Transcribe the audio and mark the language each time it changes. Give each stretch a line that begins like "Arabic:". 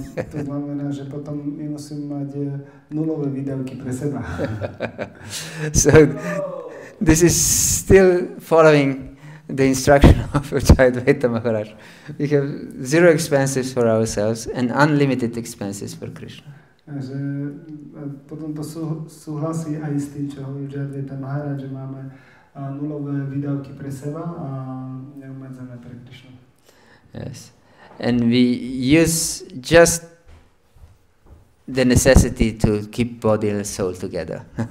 Slovak: To znamená, že potom my musíme mať nulové výdavky pre seba.
English: So this is still following the instruction of Advaita Maharaj. We have zero expenses for ourselves and unlimited expenses for Krishna.
Slovak: Že potom to súhlasí aj s tým, čo hovorí Advaita Maharaj, že máme nulové výdavky pre seba a neobmedzené pre Krishna.
English: Yes. And we use just the necessity to keep body and soul together.